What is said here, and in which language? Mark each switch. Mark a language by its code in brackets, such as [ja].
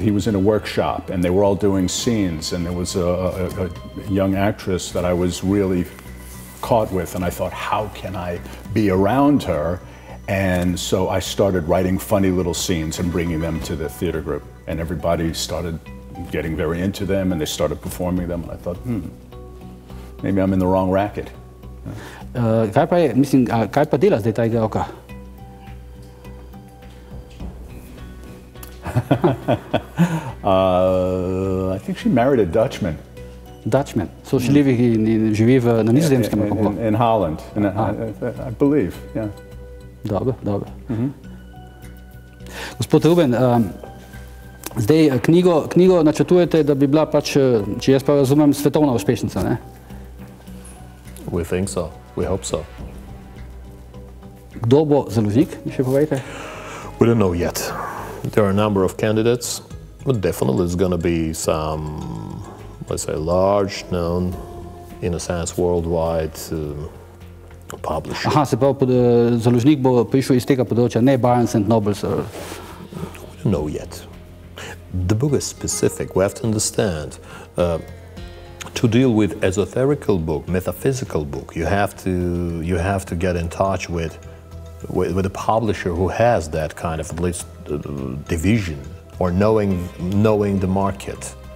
[en] He was in a workshop and they were all doing scenes, and there was a young actress that I was really caught with, and I thought, how can I be around her? And so I started writing funny little scenes and bringing them to the theater group, and everybody started getting very into them and they started performing them, and I thought, maybe I'm in the wrong racket. [sl] Kaj pa dela zdaj ta igralka? [en] I think she married a Dutchman. Dutchman. So she lives in [sl] živi v na Nizozemskem, [en] yeah, in Holland. I believe, yeah. [sl] Dobro. Mm-hmm. Gospod Ruben, zdaj knjigo načrtujete, da bi bila pač, če jaz pa razumem, svetovna uspešnica, ne? [en] We think so. We hope so. [sl] Kdo bo založnik, mi še povejte? [en] We don't know yet. There are a number of candidates, but definitely it's going to be some, let's say, large, known, in a sense, worldwide publisher. [sl] Aha, se pravi, založnik bo prišel iz tega področja, ne Barnes & Noble, sir. [en] We don't know yet. The book is specific, we have to understand. To deal with esoterical book, metaphysical book, you have to get in touch with a publisher who has that kind of at least division, or knowing the market.